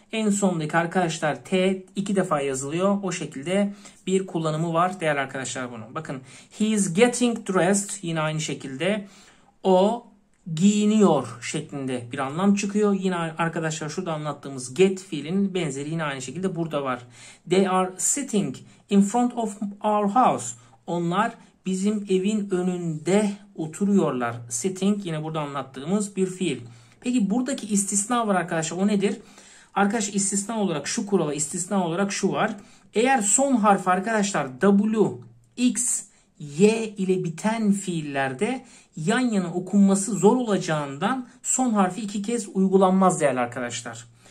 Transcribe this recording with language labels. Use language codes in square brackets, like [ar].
[tr] En sondaki arkadaşlar T iki defa yazılıyor. O şekilde bir kullanımı var değerli arkadaşlar bunun. Bakın [en] he is getting dressed [tr] yine aynı şekilde. O giyiniyor şeklinde bir anlam çıkıyor. Yine arkadaşlar şurada anlattığımız get fiilin benzeri yine aynı şekilde burada var. [en] They are sitting in front of our house. [tr] Onlar bizim evin önünde oturuyorlar. Sitting yine burada anlattığımız bir fiil. Peki buradaki istisna var arkadaşlar, o nedir? Arkadaşlar istisna olarak şu kurala, istisna olarak şu var. Eğer son harf arkadaşlar W, X, Y ile biten fiillerde yan yana okunması zor olacağından son harfi iki kez uygulanmaz değerli arkadaşlar.